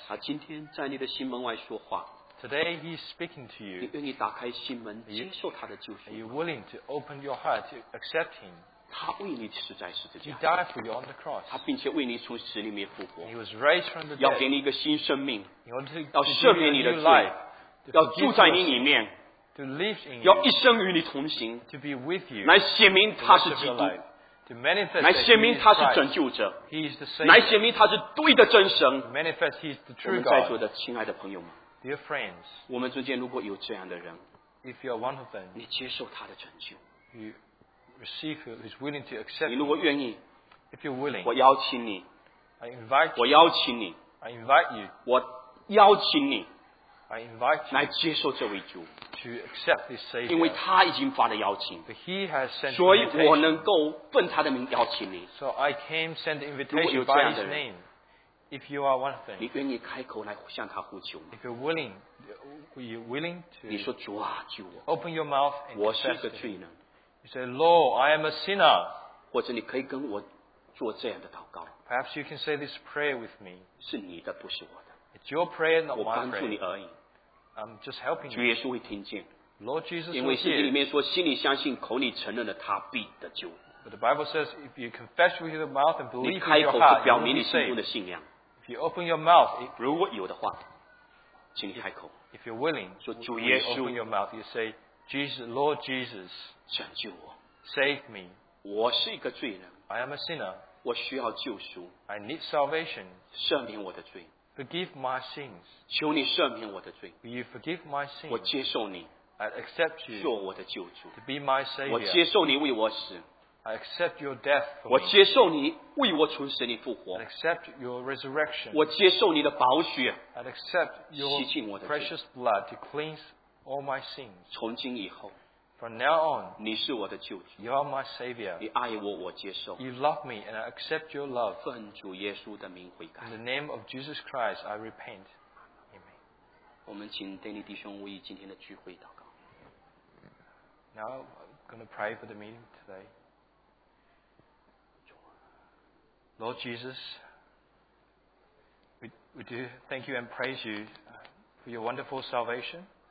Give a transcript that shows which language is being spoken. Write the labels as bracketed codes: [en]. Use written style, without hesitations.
[zh] 他今天在你的心门外说话, [en] today he is speaking to you. [zh] 你愿意打开心门, are [en] you willing to open your heart to accept him? [zh] 他为你死在十字架, [en] he died for you on the cross. [zh] 他并且为你从死里面复活, [en] he was raised from the dead. [zh] 要给你一个新生命, [en] in order to [zh] 要赦免你的罪, [en] give you a new life, [zh] 要住在你里面, [en] to live in you, [zh] 要一生与你同行, [en] to be with you, [zh] 来显明他是基督, [en] to manifest [zh] 来显明他是拯救者, [en] he is the Savior, [zh] 来显明他是对的真神, [en] to manifest he is the true God. [zh] 我们在座的亲爱的朋友们, [en] dear friends, [zh] 我们中间如果有这样的人, [en] if you are one of them, [zh] 你接受他的拯救, [en] you receive him, he is willing to accept [zh] you. 你如果愿意, [en] if you are willing, [zh] 我邀请你, [en] I invite you, [zh] 我邀请你, [en] I invite you, [zh] 我邀请你, [en] I invite you, [zh] 来接受这位主, [en] to accept this Savior, [zh] 因为他已经发了邀请, [en] but he has sent the invitation, [zh] 所以我能够奔他的名邀请你, [en] so I came send the invitation by his name. If you are one of them, [zh] 你愿意开口来向他呼求吗? [en] If you're willing, are you willing to [zh] 你说主啊, [en] open your mouth and [zh] 我是个罪人, [en] you say, Lord, I am a sinner. [zh] 或者你可以跟我做这样的祷告, [en] perhaps you can say this prayer with me. [zh] 是你的不是我的, [en] it's your prayer, not my prayer. [zh] 我帮助你而已, [en] I'm just helping you. [zh] 主耶稣会听见, [en] Lord Jesus will [zh] hear. 因为圣经里面说, 心里相信, 口里承认的, 祂必得救, [en] but the Bible says, if you confess with your mouth and believe in your heart, [zh] 你开口就表明你心中的信仰, [en] if you open your mouth, it, [zh] 如果有的话, 请你开口, [en] if you're willing, [zh] 说, 主耶稣, [en] you open your mouth, you say, Jesus, Lord Jesus, [zh] 拯救我, [en] save me. [zh] 我是一个罪人, [en] I am a sinner. [zh] 我需要救赎, [en] I need salvation. [zh] 赦免我的罪, [en] forgive my sins. [zh] 求你赦免我的罪, [en] will you forgive my sins? [zh] 我接受你, [en] I accept you, [zh] 做我的救主, [en] to be my Savior. [zh] 我接受你为我死, [en] I accept your death for me. [zh] 我接受你为我从死里复活, [en] I accept your resurrection. [zh] 我接受你的宝血, [en] I accept your precious blood to cleanse all my sins. [zh] 从今以后, [en] from now on, [zh] 你是我的救主, [en] you are my Savior. [zh] 你爱我, 我接受, [en] you love me and I accept your love. [zh] 奉主耶稣的名悔改, [en] in the name of Jesus Christ, I repent. Amen. [zh] 我们请丹尼弟兄为今天的聚会祷告。 [en] Now I'm going to pray for the meeting today. Lord Jesus, we do thank you and praise you for your wonderful salvation.